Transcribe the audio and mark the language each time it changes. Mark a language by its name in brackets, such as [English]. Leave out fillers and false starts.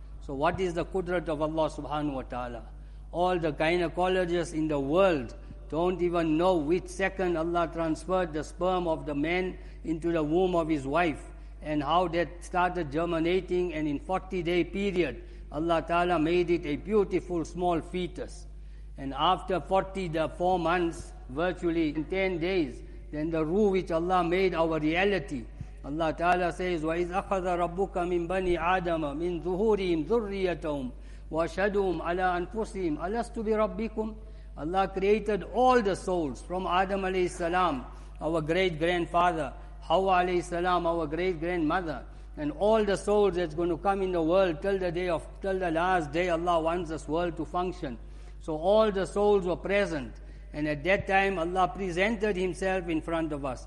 [English] So what is the qudrat of Allah Subhanahu Wa Ta'ala? All the gynecologists in the world don't even know which second Allah transferred the sperm of the man into the womb of his wife, and how that started germinating, and in 40-day period, Allah Ta'ala made it a beautiful small fetus. And after 4 months, virtually in 10 days, then the ruh which Allah made our reality. Allah Ta'ala says, [Arabic] وَإِذْ أَخَذَ رَبُّكَ مِنْ بَنِي آدَمَ مِنْ ظُهُورِهِمْ ذُرِّيَّتَهُمْ وَشَدُهُمْ عَلَىٰ أَنفُسِهِمْ أَلَسْتُ بِرَبِّكُمْ. [English] Allah created all the souls from Adam alayhi salam, our great grandfather, Hawa alayhi salam, our great grandmother, and all the souls that's going to come in the world till the last day Allah wants this world to function. So all the souls were present. And at that time, Allah presented Himself in front of us.